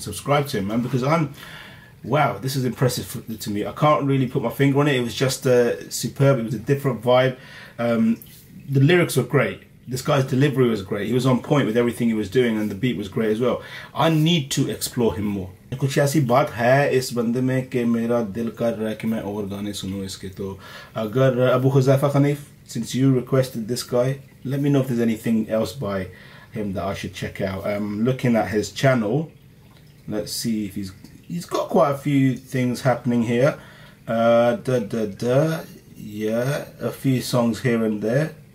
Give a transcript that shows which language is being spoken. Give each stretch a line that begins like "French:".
English: Subscribe to him, man, because I'm... Wow, this is impressive to me. I can't really put my finger on it. It was just superb. It was a different vibe. The lyrics were great. This guy's delivery was great. He was on point with everything he was doing, and the beat was great as well. I need to explore him more.
Hindi: कुछ ऐसी बात है इस बंदे में कि मेरा दिल कर रहा है कि मैं और गाने सुनूं इसके. तो अगर
English: Abu Huzaifa Khanif, since you requested this guy, let me know if there's anything else by him that I should check out. I'm looking at his channel. Let's see if he's got quite a few things happening here. Yeah, a few songs here and there.